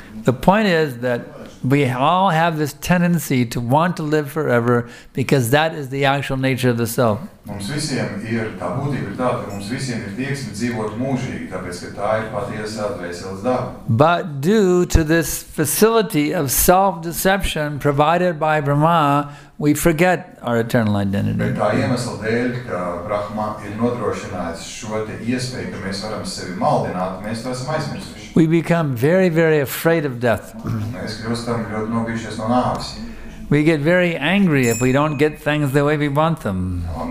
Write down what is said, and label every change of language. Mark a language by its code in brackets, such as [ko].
[en] The point is that we all have this tendency to want to live forever because that is the actual nature of the self. [lv] Mums visiem ir tā būtība ir tā, ka mums visiem ir tieksme dzīvot mūžīgi, tāpēc ka tā ir patiesā dvēseles daba. [en] But due to this facility of self-deception provided by Brahmā, we forget our eternal identity. [lv] Bet tā iemesla dēļ, ka Brahmā ir nodrošinājis šo te iespēju, ka mēs varam sevi maldināt, mēs to esam aizmirsuši. [en] We become very, very afraid of death. [lv] Mēs kļūstam ļoti nobijušies no nāves. [en] We get very angry if we don't get things the way we want them.